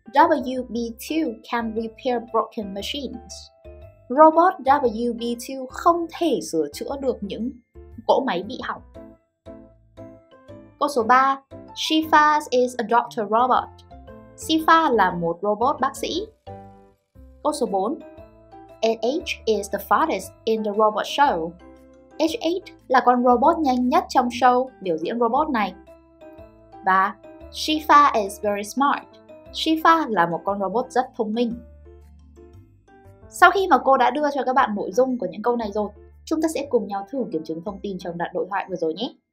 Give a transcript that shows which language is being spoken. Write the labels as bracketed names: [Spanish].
[English] WB2 can repair broken machines. [Vietnamese] Robot WB2 không thể sửa chữa được những cỗ máy bị hỏng. Câu số 3. [English] Shifa is a doctor robot. [Vietnamese] Shifa là một robot bác sĩ. Câu số 4. [English] H8 is the fastest in the robot show. [Vietnamese] H8 là con robot nhanh nhất trong show biểu diễn robot này. Và Shifa [English] is very smart. [Vietnamese] Shifa là một con robot rất thông minh. Sau khi mà cô đã đưa cho các bạn nội dung của những câu này rồi, chúng ta sẽ cùng nhau thử kiểm chứng thông tin trong đoạn đối thoại vừa rồi nhé.